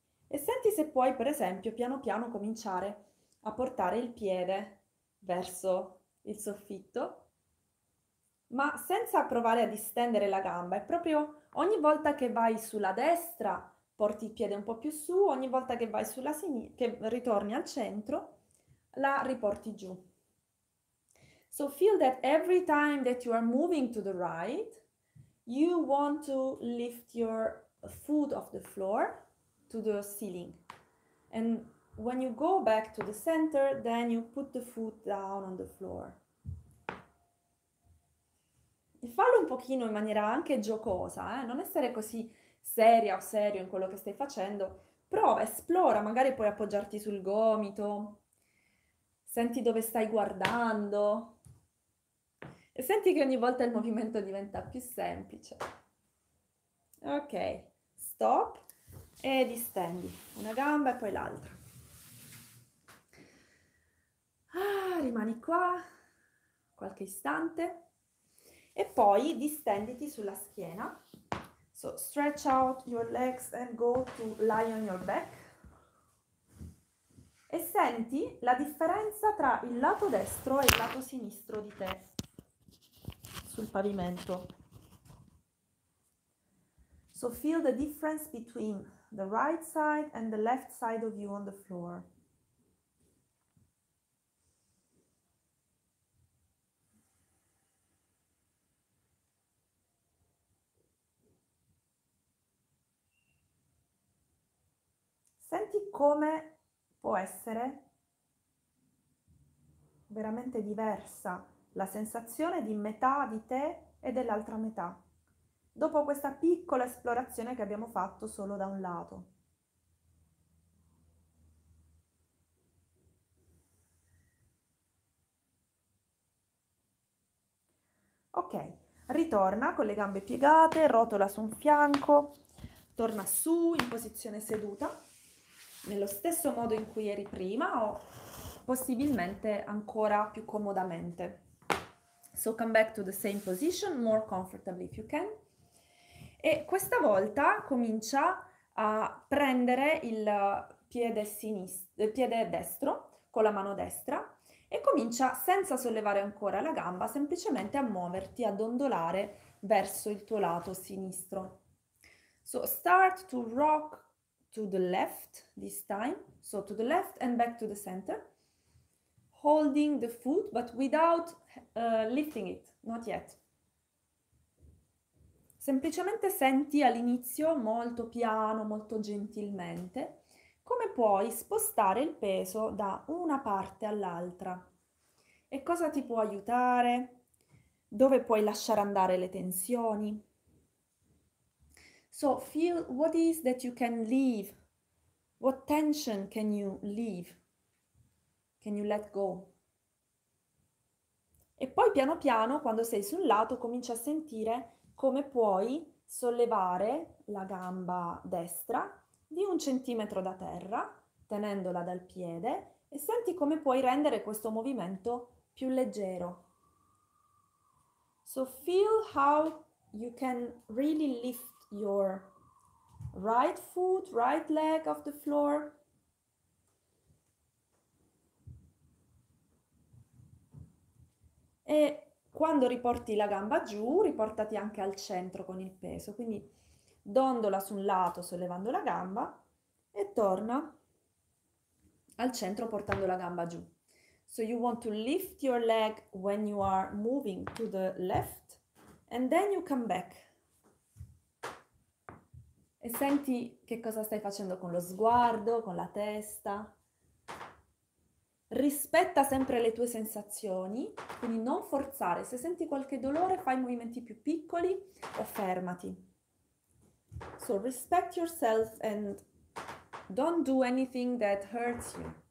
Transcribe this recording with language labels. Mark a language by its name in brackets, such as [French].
[Italian] E senti se puoi, per esempio, piano piano cominciare a portare il piede verso il soffitto, ma senza provare a distendere la gamba. È proprio ogni volta che vai sulla destra, porti il piede un po' più su, ogni volta che vai sulla sinistra, che ritorni al centro, la riporti giù. [English] So feel that every time that you are moving to the right, you want to lift your foot off the floor to the ceiling. And when you go back to the center, then you put the foot down on the floor. [Italian] E fallo un pochino in maniera anche giocosa, eh? Non essere così seria o serio in quello che stai facendo. Prova, esplora, magari puoi appoggiarti sul gomito. Senti dove stai guardando. E senti che ogni volta il movimento diventa più semplice. Ok, stop. E distendi una gamba e poi l'altra. Ah, rimani qua qualche istante e poi distenditi sulla schiena. [English] So stretch out your legs and go to lie on your back. [Italian] Senti la differenza tra il lato destro e il lato sinistro di te sul pavimento. [English] So feel the difference between the right side and the left side of you on the floor. [Italian] Senti come può essere veramente diversa la sensazione di metà di te e dell'altra metà, dopo questa piccola esplorazione che abbiamo fatto solo da un lato. Ok, ritorna con le gambe piegate, rotola su un fianco, torna su in posizione seduta. Nello stesso modo in cui eri prima o possibilmente ancora più comodamente. [English] So come back to the same position, more comfortably if you can. [Italian] E questa volta comincia a prendere il piede sinistro, il piede destro con la mano destra e comincia senza sollevare ancora la gamba, semplicemente a muoverti, a dondolare verso il tuo lato sinistro. [English] So start to rock to the left this time, so to the left and back to the center, holding the foot but without lifting it, not yet. [Italian] Semplicemente senti all'inizio molto piano, molto gentilmente, come puoi spostare il peso da una parte all'altra e cosa ti può aiutare, dove puoi lasciare andare le tensioni. [English] So feel what is that you can leave. What tension can you leave? Can you let go? [Italian] E poi piano piano, quando sei su un lato, comincia a sentire come puoi sollevare la gamba destra di un centimetro da terra, tenendola dal piede, e senti come puoi rendere questo movimento più leggero. [English] So feel how you can really lift your right foot, right leg off the floor. [Italian] E quando riporti la gamba giù, riportati anche al centro con il peso, quindi dondola su un lato sollevando la gamba e torna al centro portando la gamba giù. [English] So you want to lift your leg when you are moving to the left and then you come back. [Italian] E senti che cosa stai facendo con lo sguardo, con la testa. Rispetta sempre le tue sensazioni, quindi non forzare. Se senti qualche dolore, fai movimenti più piccoli o fermati. [English] So respect yourself and don't do anything that hurts you.